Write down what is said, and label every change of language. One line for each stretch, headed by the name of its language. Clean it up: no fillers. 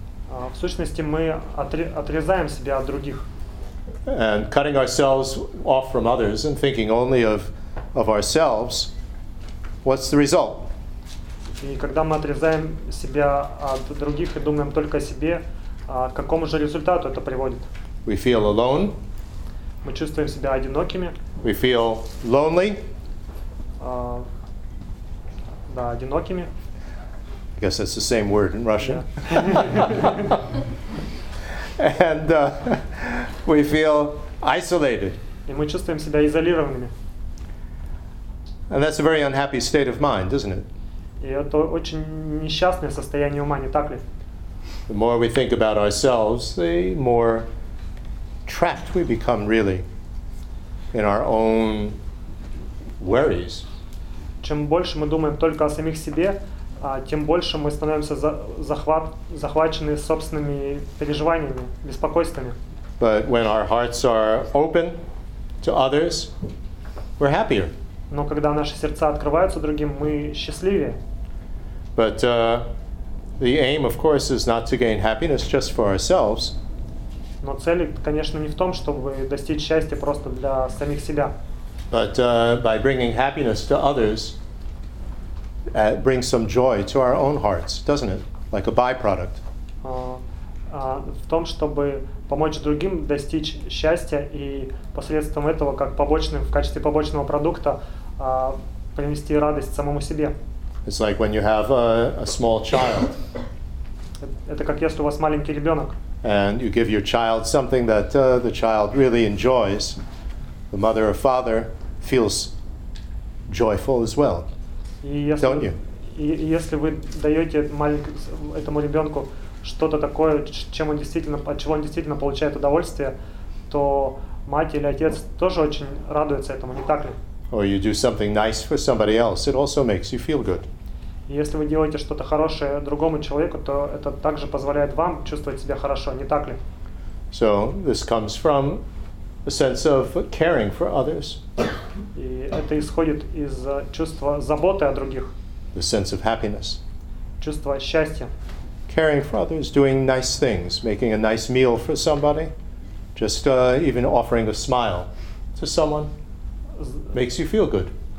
Russian: В сущности, мы отрезаем себя от других.
English: And cutting ourselves off from others and thinking only of ourselves, what's the result?
Russian: И когда мы отрезаем себя от других и думаем только о себе, к какому же результату это приводит?
English: We feel alone.
Russian: Мы чувствуем себя одинокими.
English: We feel lonely.
Russian: Да, одинокими.
English: I guess that's the same word in Russian. Yeah. And we feel isolated.
Russian: И мы чувствуем себя изолированными.
English: And that's a very unhappy state of mind, isn't it?
Russian: И это очень несчастное состояние ума, не так ли?
English: The more we think about ourselves, the more trapped we become really in our own worries.
Russian: Чем больше мы думаем только о самих себе, тем больше мы становимся захвачены собственными переживаниями, беспокойствами.
English: But when our hearts are open to others, we're happier.
Russian: Но когда наши сердца открываются другим, мы счастливее.
English: But the aim, of course, is not to gain happiness just for ourselves.
Russian: Но цель, конечно, не в том, чтобы достичь счастья просто для самих себя.
English: But by bringing happiness to others, brings some joy to our own hearts, doesn't it? Like a byproduct.
Russian: В том, чтобы помочь другим достичь счастья и посредством этого, как побочный, в качестве побочного продукта, принести радость самому себе.
English: It's like when you have a small child.
Russian: Это как если у вас маленький ребенок.
English: And you give your child something that the child really enjoys, the mother or father feels joyful as well. Don't you?
Russian: И если вы даете этому ребенку что-то такое, от чего он действительно получает удовольствие, то мать или отец тоже очень радуется этому, не так ли?
English: Or you do something nice for somebody else, it also makes you feel good.
Russian: Если вы делаете что-то хорошее другому человеку, то это также позволяет вам чувствовать себя хорошо, не так ли?
English: So this comes from a sense of caring for others.
Russian: И это исходит из чувства заботы о других.
English: The sense of happiness.
Russian: Чувство счастья.
English: Caring for others, doing nice things, making a nice meal for somebody, just even offering a smile to someone makes you feel good.